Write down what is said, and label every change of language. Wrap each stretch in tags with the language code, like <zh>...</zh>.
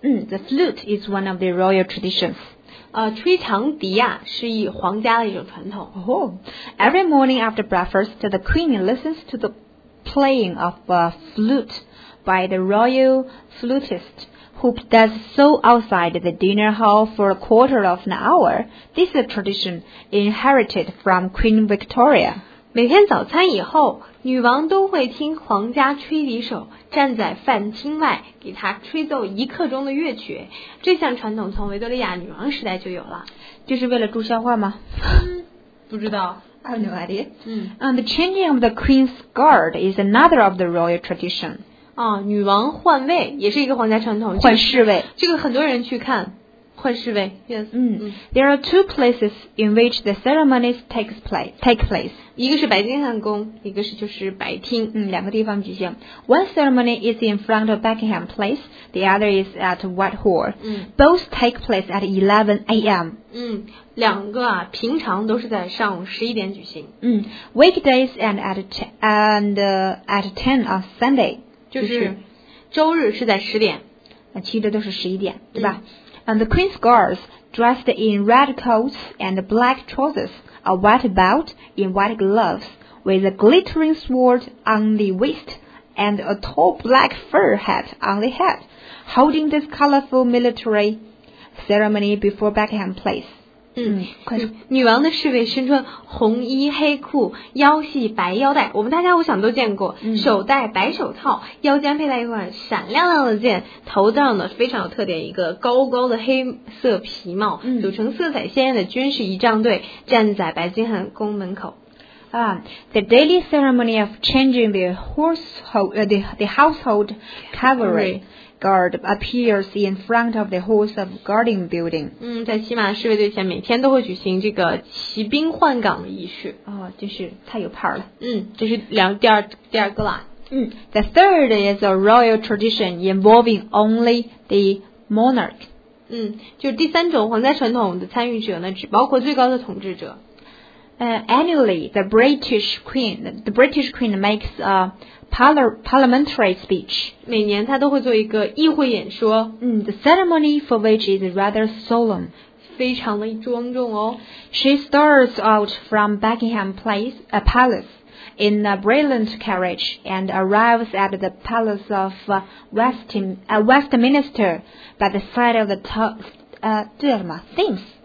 <en>The flute is one of the royal traditions。</en> <zh>吹长笛呀、是以皇家的一种传统。</zh> <en>Every morning after breakfast, the queen listens to the playing of a flute by the royal flutist who does so outside the dinner hall for a quarter of an hour. This is a tradition inherited from Queen Victoria.</en> <zh>每天早餐以后，女王都会听皇家吹笛手站在饭厅外给她吹奏一刻钟的乐曲。这项传统从维多利亚女王时代就有了。就是为了助消化吗？不知道。</zh> <en>I have no idea. And the changing of the queen's guard is another of the royal tradition.</en> <zh>女王换位也是一个皇家传统。换侍卫。这个很多人去看。换侍卫。</zh> <en>There are two places in which the ceremonies take place.</en> <zh>一个是白金汉宫，一个是就是白厅。两个地方举行。</zh> <en>One ceremony is in front of Buckingham Palace, the other is at Whitehall. Both take place at 11 a.m.</en> <zh>两个啊，平常都是在上午11点举行。</zh> <en>Weekdays and at 10 on Sunday.</en> <zh>就是周日是在10点。其实都是11点，对吧？</zh> <en>And the Queen's guards dressed in red coats and black trousers, a white belt in white gloves, with a glittering sword on the waist and a tall black fur hat on the head, holding this colorful military ceremony before Buckingham Palace.</en> <zh>女王的侍卫身穿红衣黑裤，腰系白腰带，我们大家我想都见过，手戴白手套，腰间佩戴一块闪亮亮的剑，头上呢非常有特点一个高高的黑色皮帽，组成色彩鲜艳的军事仪仗队，站在白金汉宫门口。</zh> <en>The daily ceremony of changing the horsehold, the household cavalry guard appears in front of the horse of guarding building.</en> <zh>在骑马侍卫队前每天都会举行这个骑兵换岗的仪式。就是太有派了。这是第二个啦。</zh> <en>The third is a royal tradition involving only the monarch.</en> <zh>就是第三种皇家传统的参与者呢，只包括最高的统治者。</zh> <en>Annually, the British Queen makes a parliamentary speech.</en> <zh>每年她都会做一个议会演说。</zh> <en>The ceremony for which is rather solemn.</en> <zh>非常的庄重哦。</zh> <en>She starts out from Buckingham Palace in a brilliant carriage and arrives at the Palace of Westminster by the side of the Thames.</en>